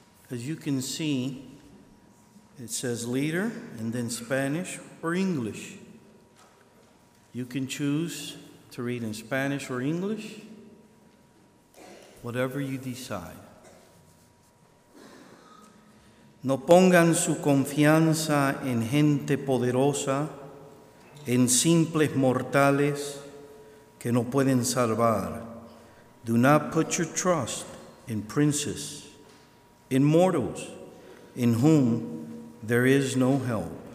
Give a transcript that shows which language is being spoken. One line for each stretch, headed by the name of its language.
English: As you can see, it says leader and then Spanish or English. You can choose to read in Spanish or English, whatever you decide.
Spanish: No pongan su confianza en gente poderosa, en simples mortales que no pueden salvar.
English: Do not put your trust in princes, in mortals, in whom there is no help.